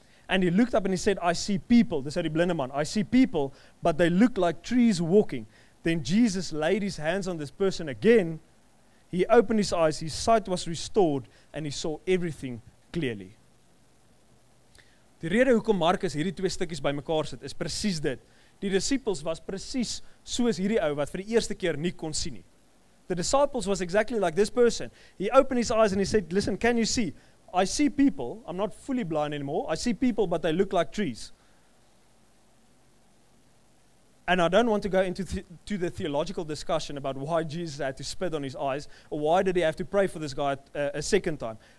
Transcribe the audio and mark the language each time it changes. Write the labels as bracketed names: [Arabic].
[English] And he looked up and he said, I see people. This is the blind man. I see people, but they look like trees walking. Then Jesus laid his hands on this person again. He opened his eyes. His sight was restored and he saw everything clearly. [Afrikaans] Die rede hoekom Markus hierdie twee stukkies by mekaar sit, is precies dit. Die disciples was precies soos hierdie ou wat vir die eerste keer nie kon sien nie. [English] The disciples was exactly like this person. He opened his eyes and he said, listen, can you see? I see people, I'm not fully blind anymore, I see people, but they look like trees. And I don't want to go into to the theological discussion about why Jesus had to spit on his eyes, or why did he have to pray for this guy a second time.